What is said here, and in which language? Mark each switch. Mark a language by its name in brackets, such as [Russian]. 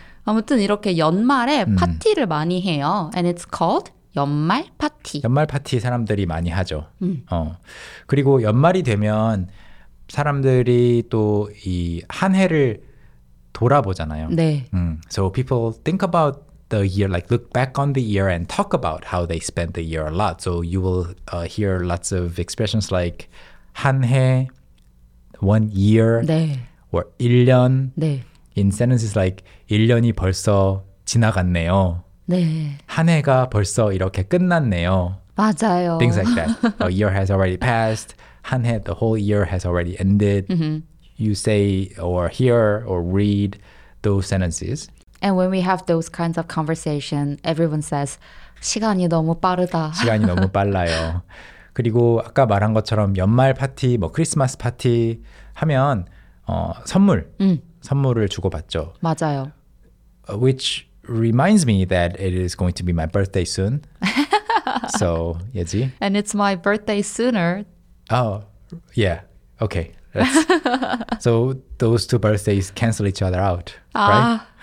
[Korean] 아무튼 이렇게 연말에 파티를 많이 해요. [English] And it's called 연말 파티. [Korean] 연말 파티 사람들이 많이 하죠. 어. 그리고 연말이 되면 사람들이 또 이 한 해를 돌아보잖아요. 네. [English] So people think about the year, like look back on the year and talk about how they spent the year a lot. So you will hear lots of expressions like 한 해, one year, [Korean] 네. [English] or 1년. [Korean] 네. [English] In sentences like [Korean] 1년이 벌써 지나갔네요. 네. 한 해가 벌써 이렇게 끝났네요. 맞아요. [English] Things like that. A year has already passed. 한 해, the whole year has already ended. You say or hear or read those sentences. And when we have those kinds of conversation, everyone says, [Korean] 시간이 너무 빠르다. 시간이 너무 빨라요. 그리고 아까 말한 것처럼 연말 파티, 뭐 크리스마스 파티 하면 어, 선물, 선물을 주고 받죠. 맞아요. [English] Which reminds me that it is going to be my birthday soon. So, 예지? And it's my birthday sooner. Oh, yeah. Okay. so those two birthdays cancel each other out, right?